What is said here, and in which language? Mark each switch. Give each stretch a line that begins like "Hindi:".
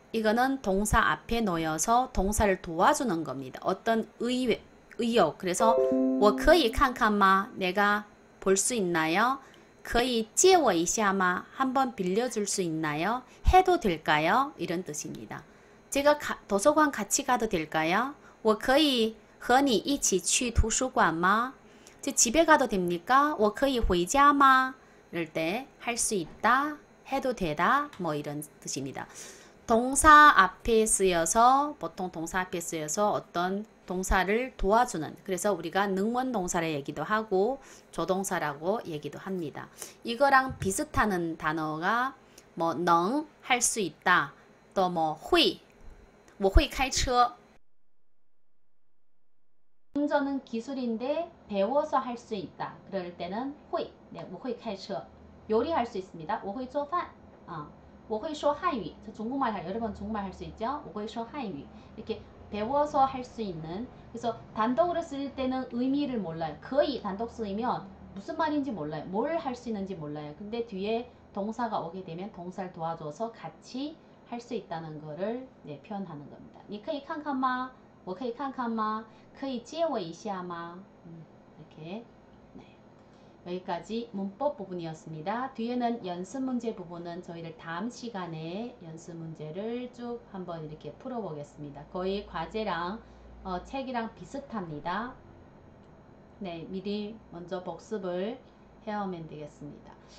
Korean: 이거는 동사 앞에 놓여서 동사를 도와주는 겁니다. 어떤 의욕. 그래서
Chinese: 我可以看看吗?
Korean: 내가 볼수 있나요?
Chinese: 可以借我一下吗?
Korean: 한번 빌려줄 수 있나요? 해도 될까요? 이런 뜻입니다. 제가 도서관 같이 가도 될까요?
Chinese: 我可以和你一起去图书馆吗?
Korean: 제 집에 가도 됩니까?
Chinese: 我可以回家吗?
Korean: 이럴 때할수 있다, 해도 되다, 뭐 이런 뜻입니다. 동사 앞에 쓰여서, 보통 동사 앞에 쓰여서 어떤 동사를 도와주는, 그래서 우리가 능원 동사를 얘기도 하고 조동사라고 얘기도 합니다. 이거랑 비슷한 단어가 뭐能할수 있다, 또뭐 会,
Chinese: 我会开车.
Korean: 운전은 기술인데 배워서 할수 있다. 그럴 때는 会, 네,
Chinese: 我会开车.
Korean: 요리할 수 있습니다.
Chinese: 我会做饭.我会说汉语.
Korean: 저 중국말 할, 여러분 중국말 할수 있죠?
Chinese: 我会说汉语.
Korean: 이렇게 배워서 할수 있는. 그래서 단독으로 쓸 때는 의미를 몰라요. 거의 단독 쓰이면 무슨 말인지 몰라요. 뭘할수 있는지 몰라요. 근데 뒤에 동사가 오게 되면 동사를 도와줘서 같이 할수 있다는 거를 네, 표현하는 겁니다.
Chinese: 你可以看看吗? 我可以看看吗?可以借我一下吗?
Korean: 이렇게. 여기까지 문법 부분이었습니다. 뒤에는 연습 문제 부분은 저희를 다음 시간에 연습 문제를 쭉 한번 이렇게 풀어보겠습니다. 거의 과제랑 책이랑 비슷합니다. 네, 미리 먼저 복습을 해오면 되겠습니다.